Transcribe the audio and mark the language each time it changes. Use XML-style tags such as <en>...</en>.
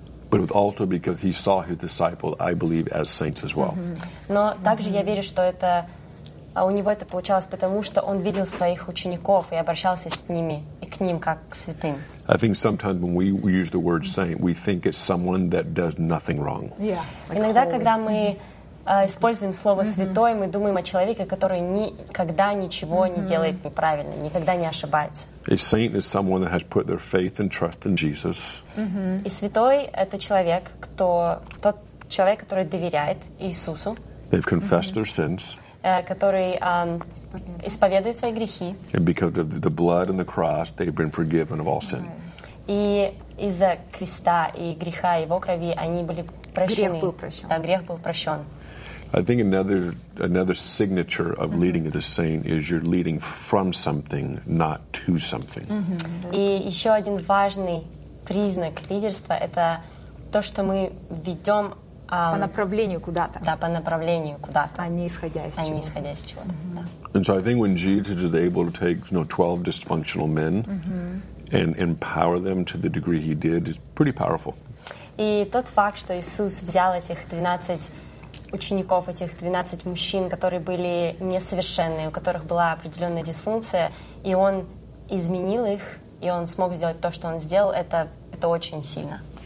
<en>But also because He saw His disciples, I believe, as saints as well.</en> <ru>Но также я верю, что это у него это получалось, потому что он видел своих учеников и обращался с ними и к ним как к святым.</ru> <en>I think sometimes when we use the word saint, we think it's someone that does nothing wrong. Yeah.</en> <ru>Иногда, когда мы используем слово святой, мы думаем о человеке, который никогда ничего не делает неправильно, никогда не ошибается.</ru> <en>A saint is someone that has put their faith and trust in Jesus.</en> <ru>И святой это человек, кто тот человек, который доверяет Иисусу.</ru> <en>They've confessed their sins.</en> <ru>Который исповедует свои грехи.</ru> <en>And because of the blood and the cross, they've been forgiven of all sin.</en> <ru>И из-за креста и греха его крови они были прощены. Грех был прощен. Да, грех был прощен.</ru> <en>I think another signature of leading as a saint is you're leading from something, not to something.</en> <ru>И еще один важный признак лидерства это то, что мы ведем по направлению куда-то. Да, по направлению куда-то. А не исходя из чего. Не исходя из чего-то. Да.</ru> <en>And so I think when Jesus is able to take, you know, 12 dysfunctional men and empower them to the degree he did, it's pretty powerful.</en> <ru>И тот факт, что Иисус взял этих 12 учеников, этих 12 мужчин, которые были несовершенные, у которых была определенная дисфункция, и он изменил их, и он смог сделать то, что он сделал, это очень сильно.</ru>